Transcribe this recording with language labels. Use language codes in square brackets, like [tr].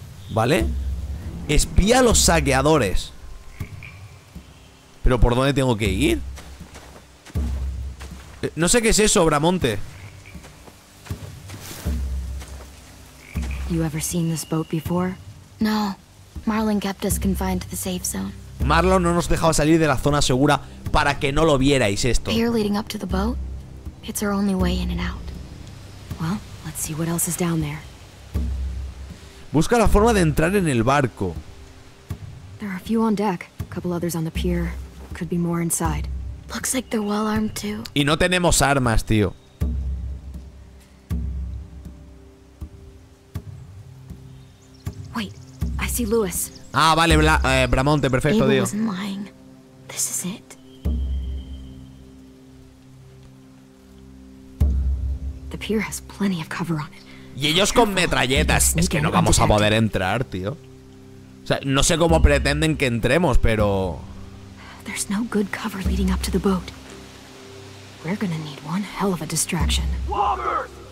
[es] ¿Vale? Espía a los saqueadores. ¿Pero por dónde tengo que ir? No sé qué es eso, Bramonte. [en] You ever seen this boat before? No. Marlon kept us confined to the safe zone. [es] Marlon no nos dejaba salir de la zona segura para que no lo vierais esto. [en] Pier leading up to the boat? It's our only way in and out. Well, let's see what else is down there. [es] Busca la forma de entrar en el barco. [en] There are a few on deck, a couple others on the pier. Could be more inside. Looks like they're well armed too. [es] Y no tenemos armas, tío. [en] Wait, I see Lewis. [es] Ah, vale, Bramonte, perfecto, Abel tío. [en] Wasn't lying. This is it. The pier has plenty of cover on it. [es] Y ellos con metralletas. Es que no vamos a poder entrar, tío. O sea, no sé cómo pretenden que entremos, pero... [en] There's no good cover leading up to the boat. We're gonna need one hell of a distraction. Lobbers!